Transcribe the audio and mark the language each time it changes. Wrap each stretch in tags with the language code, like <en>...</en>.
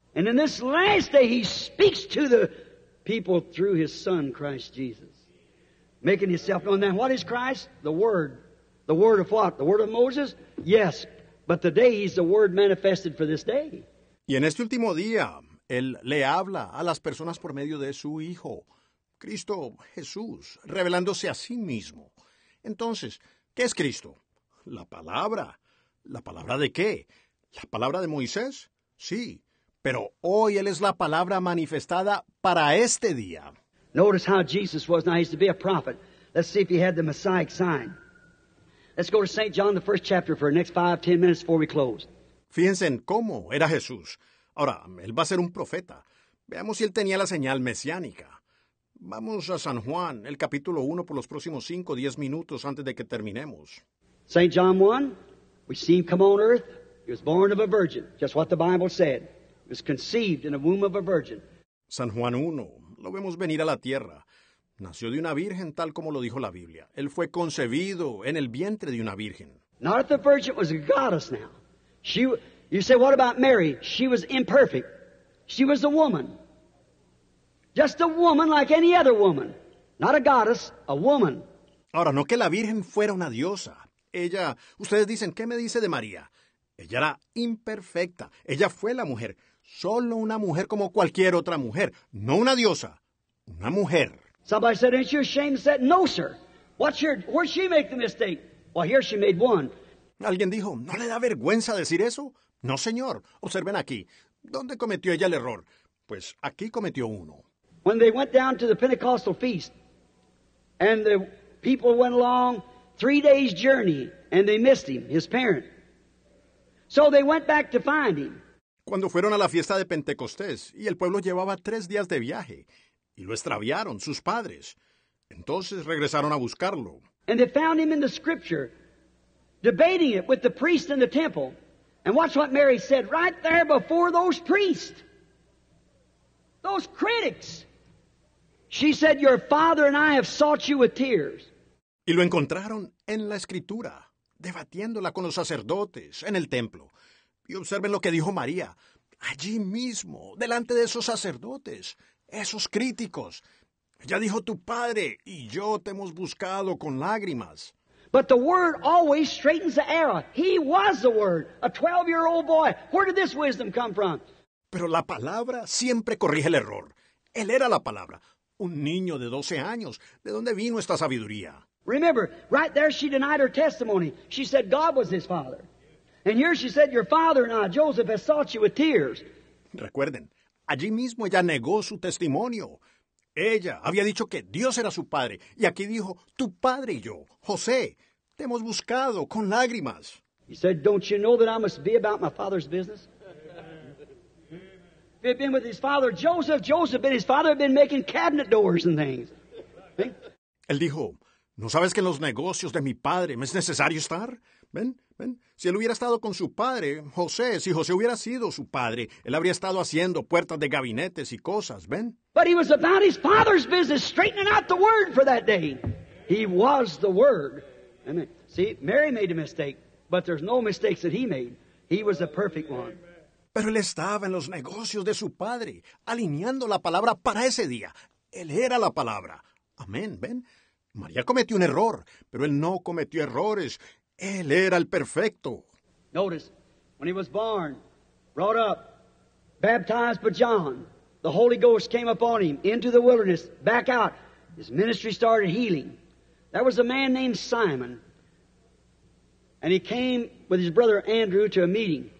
<en>And in this last day, he speaks to the people through his Son, Christ Jesus. Making himself known. Now, what is Christ? The Word. The Word of what? The Word of Moses? Yes. But today he's the Word manifested for this day.</en> <es>Y en este último día, él le habla a las personas por medio de su Hijo, Cristo Jesús, revelándose a sí mismo. Entonces, ¿qué es Cristo? La palabra. ¿La palabra de qué? ¿La palabra de Moisés? Sí. Pero hoy él es la palabra manifestada para este día.</es> <en>Notice how Jesus was. Now, he's to be a prophet. Let's see if he had the Messiah sign. Let's go to St. John, the first chapter, for the next 5-10 minutes before we close.</en> <es>Fíjense en cómo era Jesús. Ahora, él va a ser un profeta. Veamos si él tenía la señal mesiánica. Vamos a San Juan, el capítulo 1, por los próximos 5-10 minutos antes de que terminemos.</es> <en>St. John 1, we see him come on earth. He was born of a virgin, just what the Bible said. He was conceived in a womb of a virgin.</en> <es>San Juan 1. Lo vemos venir a la tierra. Nació de una virgen, tal como lo dijo la Biblia. Él fue concebido en el vientre de una virgen.</es> <en>Not if the virgin was a goddess now. You say, what about Mary? She was imperfect. She was a woman. Just a woman like any other woman. Not a goddess, a woman.</en> <es>Ahora, no que la Virgen fuera una diosa. Ella, ustedes dicen, ¿qué me dice de María? Ella era imperfecta. Ella fue la mujer. Solo una mujer como cualquier otra mujer. No una diosa. Una mujer.</es> <en>Somebody said, ain't you ashamed? Said, no, sir. What's your, where'd she make the mistake? Well, here she made one.</en> <es>Alguien dijo, ¿no le da vergüenza decir eso? No, señor. Observen aquí. ¿Dónde cometió ella el error? Pues aquí cometió uno.</es> <en>When they went down to the Pentecostal feast, and the people went along 3 days' journey, and they missed him, his parent. So they went back to find him.</en> <es>Cuando fueron a la fiesta de Pentecostés, y el pueblo llevaba 3 días de viaje, y lo extraviaron, sus padres. Entonces regresaron a buscarlo.</es> <en>And they found him in the scripture, debating it with the priest in the temple. And watch what Mary said right there before those priests, those critics. She said, your father and I have sought you with tears.</en> <es>Y lo encontraron en la escritura, debatiéndola con los sacerdotes en el templo. Y observen lo que dijo María, allí mismo, delante de esos sacerdotes, esos críticos. Ella dijo, tu padre y yo te hemos buscado con lágrimas.</es> <en>But the word always straightens the error. He was the word, a 12-year-old boy. Where did this wisdom come from?</en> <es>Pero la palabra siempre corrige el error. Él era la palabra, un niño de 12 años. ¿De dónde vino esta sabiduría?</es> <en>Remember, right there she denied her testimony. She said God was his father. And here she said, your father and I, Joseph, has sought you with tears.</en> <es>Recuerden, allí mismo ella negó su testimonio. Ella había dicho que Dios era su padre. Y aquí dijo, tu padre y yo, José, te hemos buscado con lágrimas.</es> <en>He said, don't you know that I must be about my father's business? If he had been with his father, Joseph and his father had been making cabinet doors and things.</en> <es>Él dijo, ¿no sabes que en los negocios de mi padre me es necesario estar? Ven, ven. Si él hubiera estado con su padre, José, si José hubiera sido su padre, él habría estado haciendo puertas de gabinetes y cosas, ven.</es> <en>But he was about his father's business, straightening out the word for that day. He was the word. Amen. See, Mary made a mistake, but there's no mistakes that he made. He was the perfect one.</en> <es>Pero él estaba en los negocios de su padre, alineando la palabra para ese día. Él era la palabra. Amén, ven. María cometió un error, pero él no cometió errores. Él era el perfecto.</es> <en>Notice, when he was born, brought up, baptized by John, the Holy Ghost came upon him, into the wilderness, back out. His ministry started healing. There was a man named Simon, and he came with his brother Andrew to a meeting.</en>